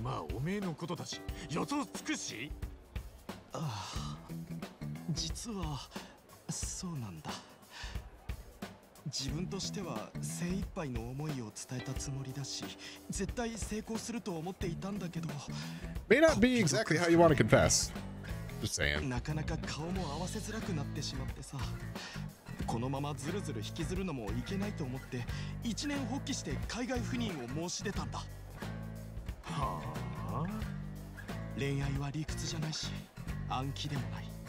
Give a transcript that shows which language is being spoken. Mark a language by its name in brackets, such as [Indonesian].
[Japanese] まあおめえのことだし、予想つくし。ああ、実はそうなんだ。自分としては精一杯の思いを伝えたつもりだし、絶対成功すると思っていたんだけど。 [English] May not be exactly how you want to confess. Just saying. [Japanese] なかなか顔も合わせづらくなってしまってさ。このままずるずる引きずるのもいけないと思って、一年放棄して海外赴任を申し出たんだ。はあ。恋愛は理屈じゃないし、暗記でもない。